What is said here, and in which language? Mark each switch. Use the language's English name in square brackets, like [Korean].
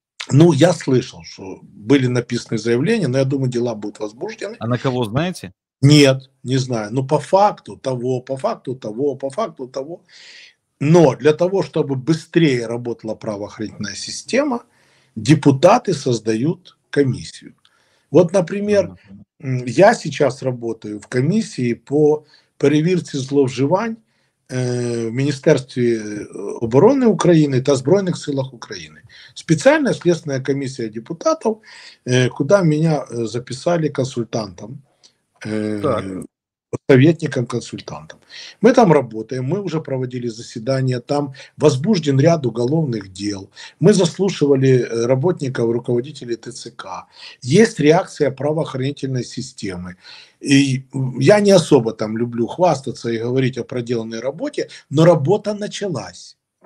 [Russian] Ну, я слышал, что были написаны заявления, но я думаю, дела будут возбуждены. А на кого знаете? Нет, не знаю. Но по факту того, по факту того, по факту того. Но для того, чтобы быстрее работала правоохранительная система, депутаты создают комиссию. Вот, например, я сейчас работаю в комиссии по [Ukrainian] перевірці зловживань в Міністерстві оборони України та Збройних силах України. Спеціальна слідча комісія депутатів, куди мене записали консультантом, советником-консультантом. [Russian] Мы там работаем, мы уже проводили заседания, там возбужден ряд уголовных дел. Мы заслушивали работников, руководителей ТЦК. Есть реакция правоохранительной системы. И я не особо там люблю хвастаться и говорить о проделанной работе, но работа началась.